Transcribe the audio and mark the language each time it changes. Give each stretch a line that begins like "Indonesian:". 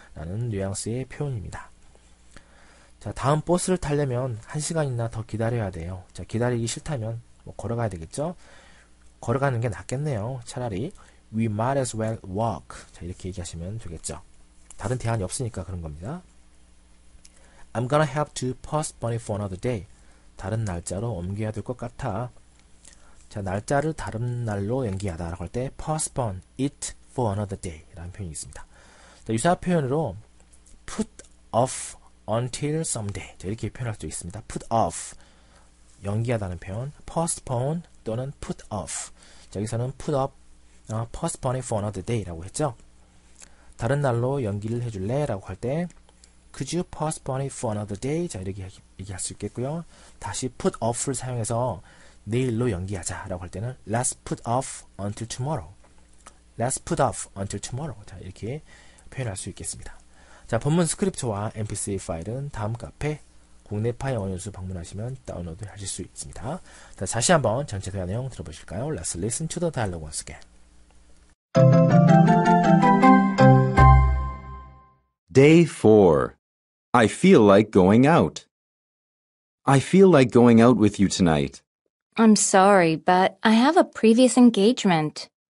Korean: 라는 뉘앙스의 표현입니다. 자, 다음 버스를 타려면 1시간이나 더 기다려야 돼요. 자, 기다리기 싫다면 뭐 걸어가야 되겠죠? 걸어가는 게 낫겠네요. 차라리
English: we might as well walk.
Korean: 자, 이렇게 얘기하시면 되겠죠. 다른 대안이 없으니까 그런 겁니다.
English: I'm gonna have to postpone it for another day.
Korean: 다른 날짜로 옮겨야 될 것 같아. 자, 날짜를 다른 날로 연기하다 라고 할 때
English: postpone it for another day
Korean: 라는 표현이 있습니다. 자, 유사 표현으로
English: put off until someday.
Korean: 자, 이렇게 표현할 수 있습니다.
English: put off.
Korean: 연기하다는 표현.
English: postpone
Korean: 또는
English: put off.
Korean: 자, 여기서는
English: put off, postpone it for another day
Korean: 라고 했죠. 다른 날로 연기를 해줄래? 라고 할 때,
English: could you postpone it for another day?
Korean: 자, 이렇게 얘기할 수 있겠고요. 다시 put off를 사용해서 내일로 연기하자 라고 할 때는
English: let's put off until tomorrow. let's put off until tomorrow.
Korean: 자, 이렇게 표현할 수 있겠습니다. 자, 본문 스크립트와 MP3 파일은 다음 카페 국내파의 영어연수 방문하시면 다운로드 하실 수 있습니다. 자, 다시 한번 전체 대화 내용 들어보실까요?
English: Let's listen to the dialogue once again. Day 4. I feel like going out. I feel like going out with you tonight. I'm sorry, but I have a previous engagement.